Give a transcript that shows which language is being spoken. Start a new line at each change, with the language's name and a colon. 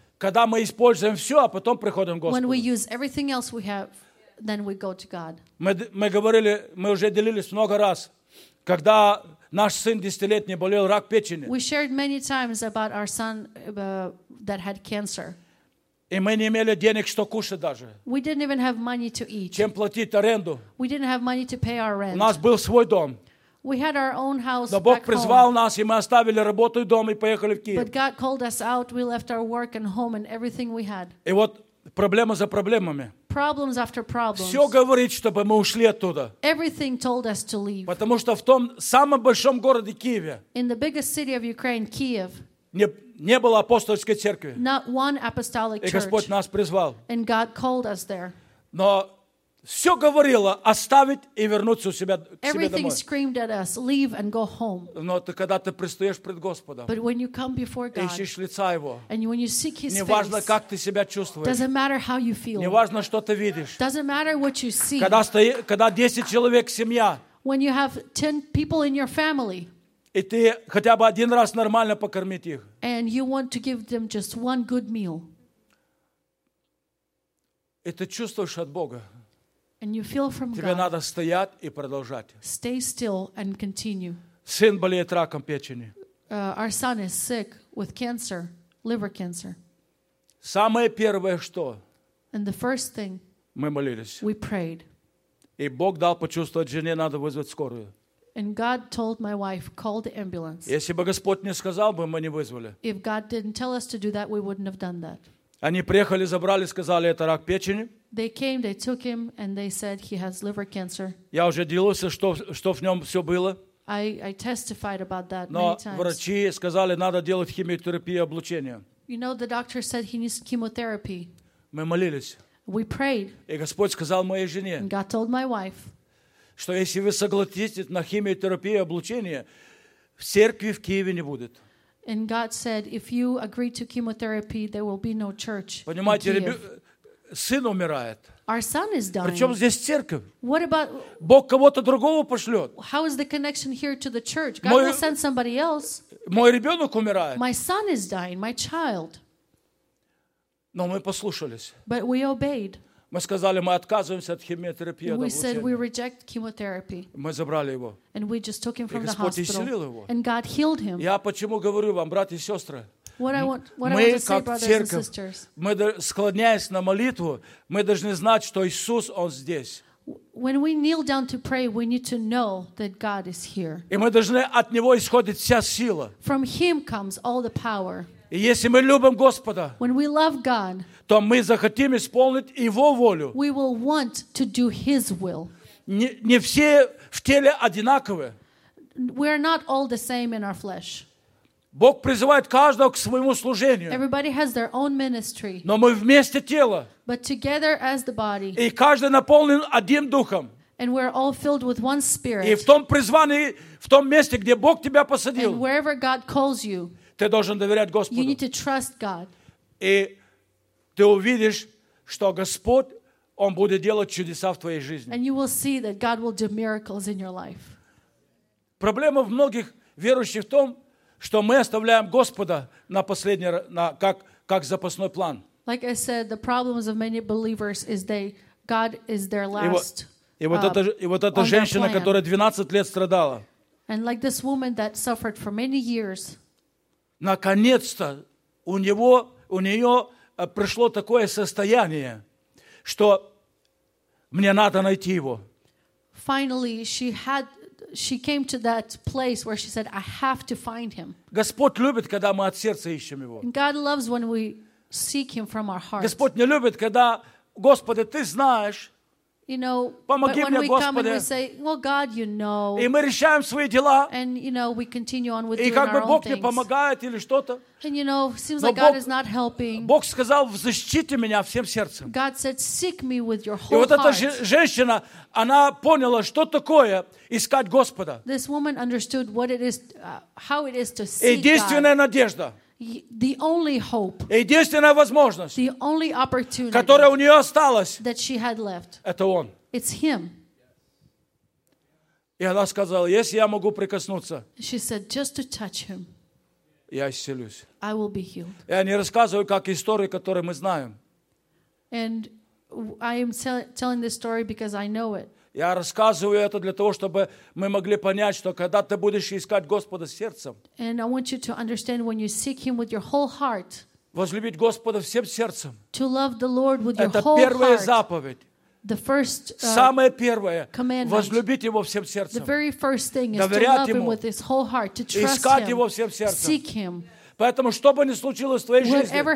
Russian: Когда мы используем все, а потом приходим к Господу.
English: When we use everything else we have, then we go to God.
Russian: Мы говорили, мы уже делились много раз, когда наш сын 10-летний болел рак печени.
English: We shared many times about our son that had cancer.
Russian: И мы не имели денег, что кушать даже.
English: We didn't even have money to eat.
Russian: Чем платить аренду?
English: We didn't have money to pay our rent.
Russian: У нас был свой дом.
English: We had our own house.
Russian: Но Бог призвал нас, и мы оставили работу и дом и поехали в Киев.
English: But God called us out. We left our work and home and everything we had.
Russian: И вот проблема за проблемами.
English: Problems after problems.
Russian: Все говорит, чтобы мы ушли оттуда.
English: Everything told us to leave.
Russian: Потому что в том самом большом городе Киеве.
English: In the biggest city of Ukraine, Kiev.
Russian: Не было апостольской церкви.
English: Not one apostolic church.
Russian: И Господь нас призвал.
English: And God called us there.
Russian: Но все говорило оставить и вернуться у себя, к
English: Everything
Russian: себе домой.
English: Everything screamed at us, leave and go home.
Russian: Но ты, когда ты предстаешь пред Господом,
English: But when you come before God,
Russian: ищешь лица Его,
English: and when you seek His
Russian: не важно,
English: face,
Russian: как ты себя чувствуешь,
English: doesn't matter how you feel,
Russian: не важно, что ты видишь,
English: doesn't matter what you see,
Russian: когда 10 человек семья,
English: when you have 10 people in your family,
Russian: и ты хотя бы один раз нормально покормить их,
English: and you want to give them just one good meal,
Russian: и ты чувствуешь от Бога,
English: and you feel from
Russian: тебе
English: God,
Russian: надо стоять и продолжать.
English: Stay still and continue.
Russian: Сын болеет раком печени.
English: Our son is sick with cancer, liver cancer.
Russian: Самое первое что?
English: And the first thing,
Russian: мы молились.
English: We prayed.
Russian: И Бог дал почувствовать жене, надо вызвать скорую.
English: And God told my wife, call the ambulance.
Russian: Если бы Господь не сказал, мы не вызвали.
English: If God didn't tell us to do that, we wouldn't have done that.
Russian: Они приехали, забрали, сказали, это рак печени.
English: They came, they took him, and they said he has liver cancer.
Russian: Я уже делился, что в нем все было.
English: I testified about that
Russian: Но
English: many times.
Russian: Но врачи сказали, надо делать химиотерапию облучения.
English: You know, the doctor said he needs chemotherapy.
Russian: Мы молились.
English: We prayed.
Russian: И Господь сказал моей жене,
English: and God told my wife,
Russian: что если вы согласитесь на химиотерапию облучения, в церкви в Киеве не будет.
English: And God said, if you agree to chemotherapy, there will be no church
Russian: Понимаете,
English: in Kiev.
Russian: Сын умирает.
English: Our son is dying.
Russian: Причем здесь церковь.
English: What about,
Russian: Бог кого-то другого пошлет.
English: How is the connection here to the church? God will send somebody else.
Russian: Мой ребенок умирает.
English: My son is dying, my child.
Russian: Но мы послушались.
English: But we obeyed.
Russian: Мы сказали, мы отказываемся от химиотерапии.
English: We said we reject chemotherapy.
Russian: Мы забрали его.
English: And we just took him from the hospital.
Russian: И Господь исцелил его.
English: And God healed him.
Russian: Я почему говорю вам, братья и сестры, мы, как церковь, мы, склоняясь на молитву, мы должны знать, что Иисус, Он здесь.
English: When we kneel down to pray, we need to know that God is here.
Russian: И мы должны от Него исходить вся сила.
English: From Him comes all the power.
Russian: И если мы любим Господа,
English: when we love God,
Russian: то мы захотим исполнить Его волю.
English: We will want to do His will.
Russian: Не все в теле одинаковы.
English: We are not all the same in our flesh.
Russian: Бог призывает каждого к своему служению.
English: Everybody has their own ministry.
Russian: Но мы вместе тело.
English: But together as the body.
Russian: И каждый наполнен одним духом.
English: And we're all filled with one spirit.
Russian: И в том призвании, в том месте, где Бог тебя посадил.
English: And wherever God calls you.
Russian: Ты должен доверять Господу.
English: You need to trust God.
Russian: И ты увидишь, что Господь, Он будет делать чудеса в твоей жизни.
English: And you will see that God will do miracles in your life.
Russian: Проблема в многих верующих в том, что мы оставляем Господа на последний, на как запасной план.
English: Like I said, the problems of many believers is they God is their last.
Russian: И вот эта женщина, которая 12 лет страдала.
English: And like this woman that suffered for many years.
Russian: Наконец-то у нее пришло такое состояние, что мне надо найти его.
English: Finally, she came to that place where she said, "I have to find him."
Russian: Господь любит, когда мы от сердца ищем его.
English: God loves when we seek him from our hearts.
Russian: Господь не любит, когда, Господи, ты знаешь.
English: You know,
Russian: помоги
English: but when
Russian: мне,
English: we
Russian: Господи,
English: come and we say, "Well, God, you know,"
Russian: и мы решаем свои дела,
English: and you know, we continue on with
Russian: и
English: doing
Russian: как бы
English: our
Russian: Бог
English: own things.
Russian: Не помогает или что-то,
English: and you know, it seems like God is not helping.
Russian: Бог сказал, защити меня всем сердцем.
English: God said, "Seek me with your whole
Russian: heart." И вот эта женщина, она поняла, что такое искать Господа.
English: This woman understood what it is, how it is to seek God.
Russian: Единственная надежда.
English: The only hope,
Russian: единственная возможность,
English: the only opportunity,
Russian: которая у нее осталась,
English: that she had left,
Russian: это он.
English: It's him.
Russian: И она сказала, если я могу прикоснуться,
English: she said, just to touch him,
Russian: я исцелюсь.
English: I will be healed.
Russian: И они рассказывают как истории, которые мы знаем.
English: And I am telling this story because I know it.
Russian: Я рассказываю это для того, чтобы мы могли понять, что когда ты будешь искать Господа сердцем,
English: and I want you to understand when you seek him with your whole heart,
Russian: возлюбить Господа всем сердцем,
English: to love the Lord with
Russian: это
English: your whole
Russian: первая
English: heart,
Russian: заповедь,
English: the first,
Russian: самое первое,
English: commandment,
Russian: возлюбить его всем сердцем,
English: the very first thing is
Russian: доверять ему,
English: him with his whole heart, to trust
Russian: искать
English: him,
Russian: его всем сердцем,
English: seek him.
Russian: Поэтому, что бы ни случилось в твоей
English: whatever